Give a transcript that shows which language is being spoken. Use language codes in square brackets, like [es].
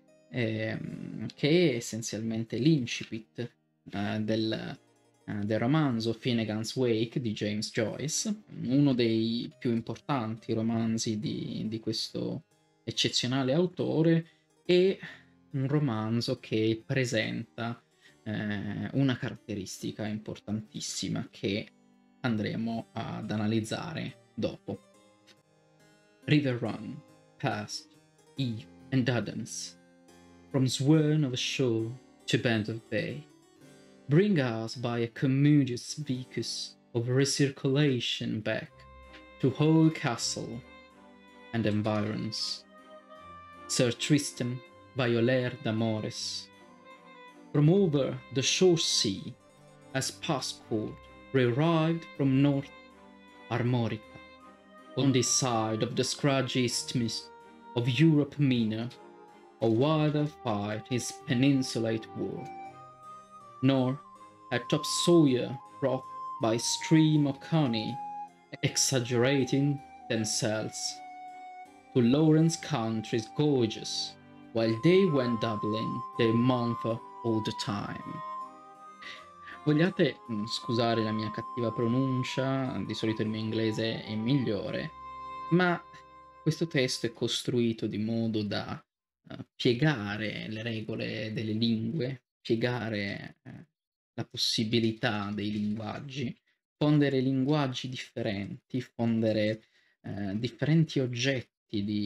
[it] che è essenzialmente l'incipit del romanzo Finnegans Wake di James Joyce, uno dei più importanti romanzi di questo eccezionale autore, e un romanzo che presenta una caratteristica importantissima che andremo ad analizzare dopo. [en] River run past Eve and Adams, from swern of a shore to bend of bay, bring us by a commodious vicus of recirculation back to whole castle and environs. Sir Tristram, Violer d'Amores, from over the shore sea, as passport re-arrived from North Armorica, on this side of the scraggy isthmus of Europe Minor, a wilder fight his peninsulate war. Nor at top Sawyer rock by stream of Coney, exaggerating themselves to Lawrence countries gorgeous, while they went doubling their month all the time. [it] Vogliate scusare la mia cattiva pronuncia, di solito il mio inglese è migliore, ma questo testo è costruito di modo da piegare le regole delle lingue, piegare la possibilità dei linguaggi, fondere linguaggi differenti, fondere differenti oggetti